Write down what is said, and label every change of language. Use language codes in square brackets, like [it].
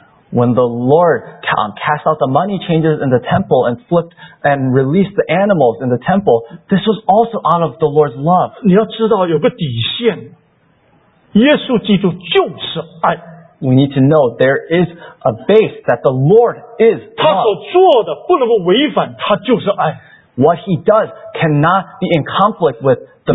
[en] when the Lord cast out the money changers in the temple and flipped and released the animals in the temple, this was also out of the Lord's love. [zh] 你要知道有个底线, 耶稣基督就是爱。 [en] We need to know there is a base that the Lord is love. [zh] 他所做的不能够违反他就是爱。 [en] What he does cannot be in conflict with the